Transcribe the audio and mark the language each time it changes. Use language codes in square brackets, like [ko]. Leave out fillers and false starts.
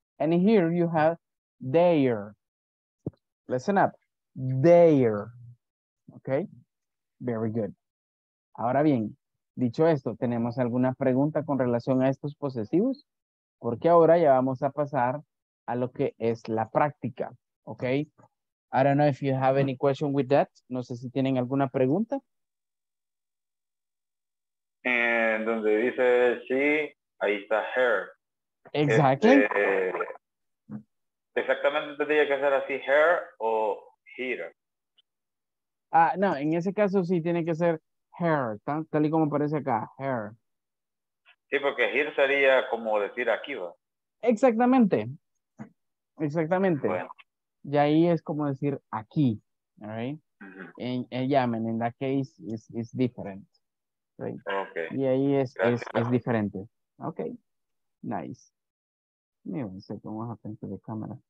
[en] And here you have their. Listen up. There. Okay. Very good. [es] Ahora bien, dicho esto, ¿tenemos alguna pregunta con relación a estos posesivos? Porque ahora ya vamos a pasar a lo que es la práctica. [en] Okay. I don't know if you have any question with that. [es] No sé si tienen alguna pregunta. And donde dice sí, ahí está her. [en] Exactly. [es] Exactamente, tendría que ser así, her o [en] here. [es] Ah, no, en ese caso sí tiene que ser her, tal y como aparece acá, her. Sí, porque here sería como decir aquí, ¿va? Exactamente. Exactamente. Bueno. Y ahí es como decir aquí, all right? Uh-huh. [en] And yeah, man, in that case is different. Right? Okay. [es] Y ahí es diferente. Okay. Nice. [en] Give me one second, what happened to the camera?